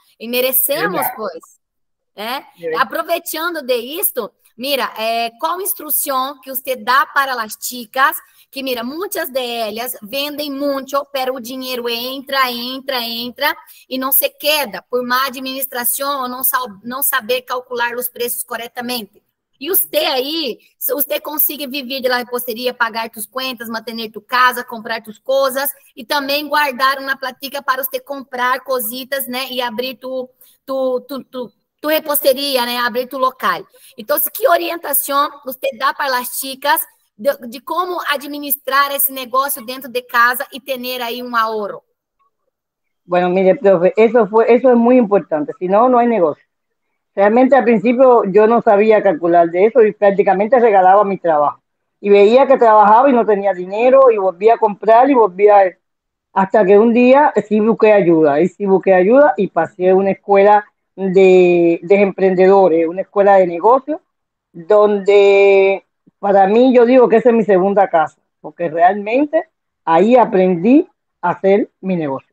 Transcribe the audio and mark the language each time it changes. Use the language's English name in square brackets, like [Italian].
[Spanish] Y merecemos, pues. Aprovechando de esto, mira, ¿cuál instrucción que usted da para las chicas? Que mira, muchas de ellas venden mucho, pero el dinero entra y no se queda por mala administración o no saber calcular los precios correctamente. [Portuguese] E você aí, se você consegue viver [Spanish] de la repostería, pagar tus cuentas, [Portuguese] manter tu casa, comprar tus coisas e também guardar uma platica para você comprar cositas, né? E abrir tu repostería, né? Abrir tu local. Então, que orientação você dá para as chicas de como administrar esse negócio dentro de casa e ter aí um ahorro? [Spanish] Bueno, mire, profe, eso es muy importante, si no, no hay negocio. Realmente al principio yo no sabía calcular de eso y prácticamente regalaba mi trabajo. Y veía que trabajaba y no tenía dinero y volvía a comprar y volvía hasta que un día sí busqué ayuda, y sí busqué ayuda y pasé a una escuela de emprendedores, una escuela de negocios, donde para mí yo digo que esa es mi segunda casa, porque realmente ahí aprendí hacer mi negocio.